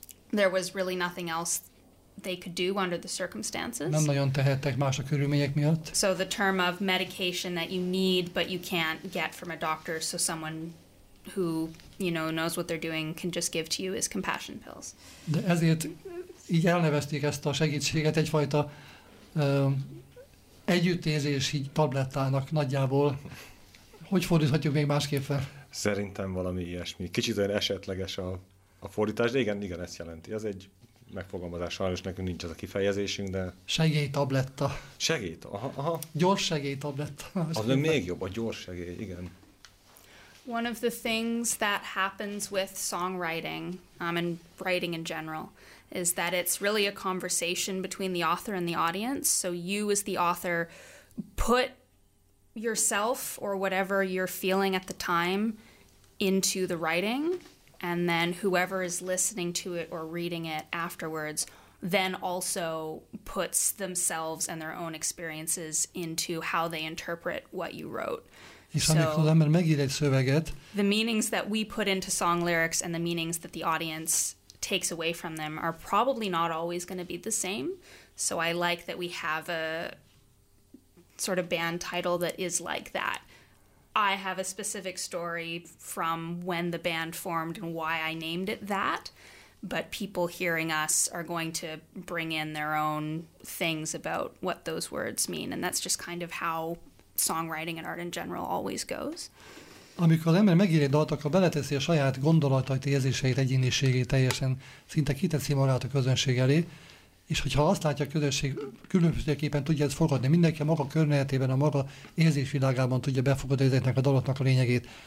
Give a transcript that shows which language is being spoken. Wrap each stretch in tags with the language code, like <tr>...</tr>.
<en>There was really nothing else they could do under the circumstances.</en> <hu>Nem nagyon tehettek más a körülmények miatt.</hu> <en>So the term of medication that you need but you can't get from a doctor, so someone who, you know, knows what they're doing can just give to you is compassion pills.</en> <hu>De ezért így elnevezték ezt a segítséget egyfajta együttérzési tablettának nagyjából. Hogy fordíthatjuk még másképp fel? Szerintem valami ilyesmi. Kicsit olyan esetleges a fordítás, de igen, igen, ezt jelenti. Ez egy megfogalmazás, sajnos nekünk nincs az a kifejezésünk, de... Segélytabletta. Segélyt, aha. Gyors segélytabletta. Az nem még jobb, a gyors segély, igen.</hu> <en>One of the things that happens with songwriting, and writing in general, is that it's really a conversation between the author and the audience. So you as the author put yourself or whatever you're feeling at the time into the writing, and then whoever is listening to it or reading it afterwards then also puts themselves and their own experiences into how they interpret what you wrote. So the meanings that we put into song lyrics and the meanings that the audience takes away from them are probably not always going to be the same. So I like that we have a sort of band title that is like that. I have a specific story from when the band formed and why I named it that, but people hearing us are going to bring in their own things about what those words mean, and that's just kind of how songwriting and art in general always goes.</en> <hu>Amikor az ember megír egy dalt, akkor beleteszi a saját gondolatait, érzéseit, egyéniségét teljesen, szinte kiteszi magát a közönség elé, és hogyha azt látja a közösség, különbözőképpen tudja ezt fogadni, mindenki a maga környezetében, a maga érzésvilágában tudja befogadni ezeknek a dalatnak a lényegét.</hu>